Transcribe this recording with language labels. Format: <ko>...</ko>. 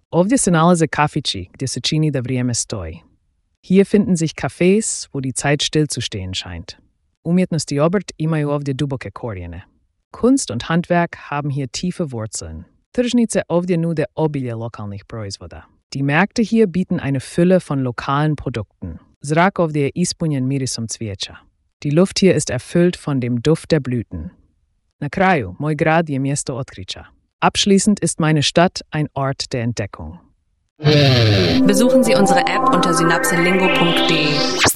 <hr>Ovdje se nalaze kafići gdje se čini da vrijeme stoji.</hr> <de>Hier finden sich Cafés, wo die Zeit stillzustehen scheint.</de> <hr>Umjetnost i obrt imaju ovdje duboke korijene.</hr> <de>Kunst und Handwerk haben hier tiefe Wurzeln.</de> <hr>Tržnice ovdje nude obilje lokalnih proizvoda.</hr> <de>Die Märkte hier bieten eine Fülle von lokalen Produkten.</de> <hr>Zrak ovdje je ispunjen mirisom cvijeća.</hr> <de>Die Luft hier ist erfüllt von dem Duft der Blüten.</de> <hr>Na kraju, moj grad je mjesto otkrića.</hr> <de>Abschließend ist meine Stadt ein Ort der Entdeckung. Besuchen Sie unsere App unter synapselingo.de.</de>